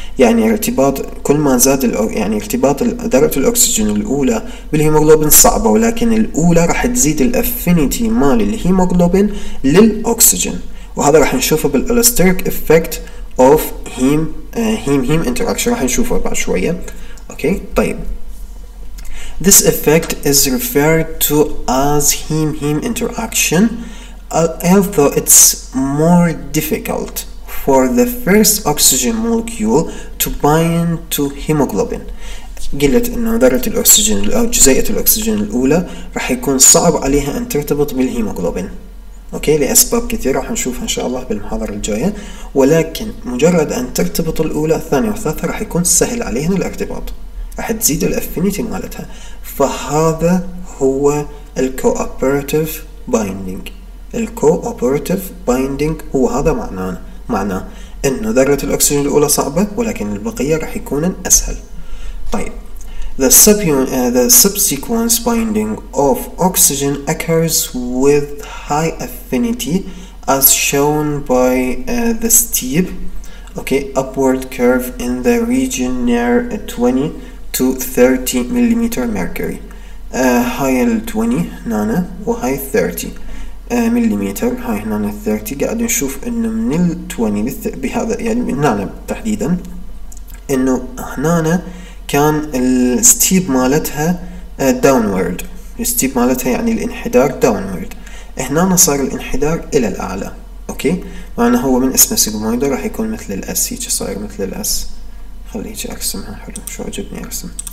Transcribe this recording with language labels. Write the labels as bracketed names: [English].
[Arabic] يعني ارتباط كل ما زاد يعني ارتباط ذرة الاكسجين الاولى بالهيموغلوبين صعبة، ولكن الاولى راح تزيد الافينيتي مال الهيموغلوبين للاكسجين، وهذا راح نشوفه بالالستيريك افكت [English] of heme-heme interaction، [Arabic] راح نشوفه بعد شوية. اوكي طيب [English] this effect is referred to as heme-heme interaction although it's more difficult for the first oxygen molecule to bind to hemoglobin. [Arabic] قلت إنه ذرة الأكسجين أو جزيئة الأكسجين الأولى رح يكون صعب عليها أن ترتبط بالهيموغلوبين، أوكي، لأسباب كثيرة رح نشوفها إن شاء الله بالمحاضرة الجاية، ولكن مجرد أن ترتبط الأولى الثانية والثالثة رح يكون سهل عليها الارتباط، رح تزيد الأفينيتي مالتها، فهذا هو الكوأبيراتيف بايندينج. الكوأبيراتيف بايندينج هو هذا معناه إنه ذرة الأكسجين الأولى صعبة ولكن البقية رح يكون أسهل. [English] طيب the subsequent binding of oxygen occurs with high affinity as shown by the steep upward curve in the region near 20 to 30 millimeter mercury. [Arabic] هاي ال 20 هنا وهاي 30 مليمتر، هاي هنا 30، قاعد نشوف انه من ال 20 بهذا يعني من هنا تحديدا انه هنا كان الستيب مالتها داونورد، الستيب مالتها يعني الانحدار داونورد، هنا صار الانحدار الى الاعلى، اوكي، معناه هو من اسمه سيجمويدر راح يكون مثل الاس، هيك صاير مثل الاس، خليك ارسمها حلو شو عجبني ارسم،